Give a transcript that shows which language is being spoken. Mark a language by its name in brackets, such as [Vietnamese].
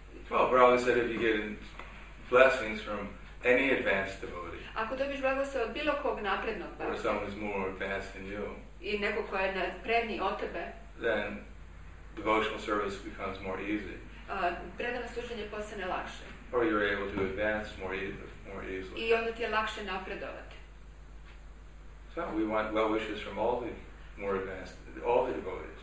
[English] Well, Prabhupada said if you get blessings from any advanced devotee, [Croatian] ako dobiješ blagoslov od bilo kog naprednog [English] bhakta, or someone who's more advanced than you, [Croatian] i neko ko je napredniji od tebe, [English] then devotional service becomes more easy. [Croatian] Predano služenje postane lakše. [English] Or you're able to advance more easily. [Croatian] I onda ti je lakše napredovati. [English] So we want well wishes from all the more advanced, all the devotees.